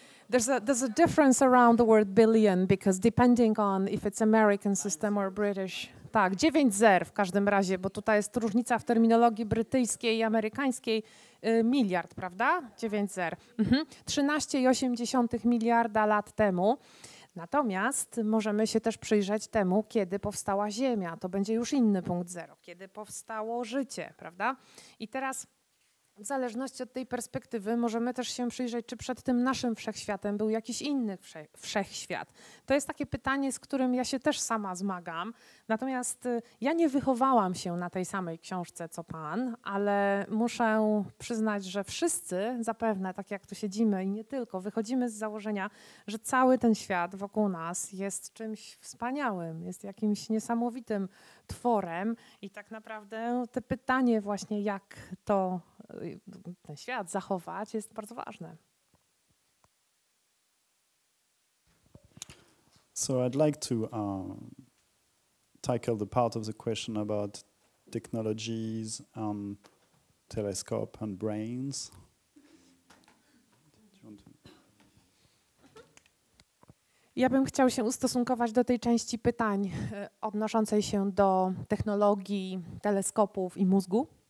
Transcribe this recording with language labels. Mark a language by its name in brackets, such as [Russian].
[English] There's a difference around the word billion, because depending on if it's American system or British. [Polish] Tak, 9 zer w każdym razie, bo tutaj jest różnica w terminologii brytyjskiej i amerykańskiej. Miliard, prawda? 9 zer. 13,8 miliarda lat temu. Natomiast możemy się też przyjrzeć temu, kiedy powstała Ziemia. To będzie już inny punkt zero. Kiedy powstało życie, prawda? I teraz w zależności od tej perspektywy możemy też się przyjrzeć, czy przed tym naszym wszechświatem był jakiś inny wszechświat. To jest takie pytanie, z którym ja się też sama zmagam. Natomiast ja nie wychowałam się na tej samej książce co pan, ale muszę przyznać, że wszyscy zapewne, tak jak tu siedzimy i nie tylko, wychodzimy z założenia, że cały ten świat wokół nas jest czymś wspaniałym, jest jakimś niesamowitym tworem i tak naprawdę to pytanie właśnie, jak to ten świat zachować, jest bardzo ważne. [English] So I'd like to tackle the part of the question about technologies, telescope and brains. [Polish] Ja bym chciał się ustosunkować do tej części pytań odnoszącej się do technologii, teleskopów i mózgu.